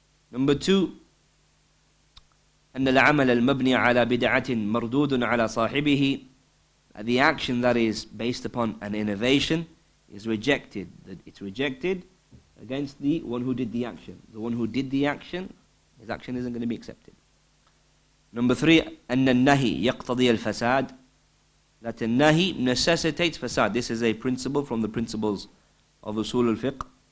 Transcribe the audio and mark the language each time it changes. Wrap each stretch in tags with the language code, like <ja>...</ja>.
<en>Number two,</en> <ar>أن العمل المبني على بدعة مردود على صاحبه.</ar> <en>The action that is based upon an innovation is rejected. It's rejected against the one who did the action. The one who did the action, his action isn't going to be accepted. Number three,</en> <ar>أن النهي يقتضي الفساد.</ar> <en>That the nahi necessitates fasad. This is a principle from the principles of usul al-fiqh.</en>